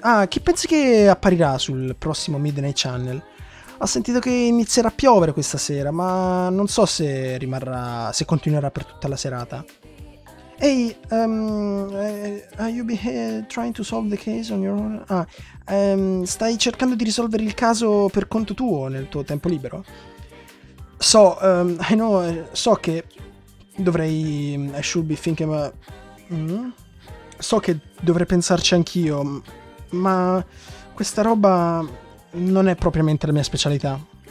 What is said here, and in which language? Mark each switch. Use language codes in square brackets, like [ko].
[it] Ah, chi pensi che apparirà sul prossimo Midnight Channel? Ho sentito che inizierà a piovere questa sera, ma non so se rimarrà... se continuerà per tutta la serata. [en] Ehi, are you trying to solve the case on your own? [it] Stai cercando di risolvere il caso per conto tuo nel tuo tempo libero? [en] So, I know, [it] so che... Dovrei... [en] I should be thinking about... [it] So che dovrei pensarci anch'io, ma questa roba non è propriamente la mia specialità.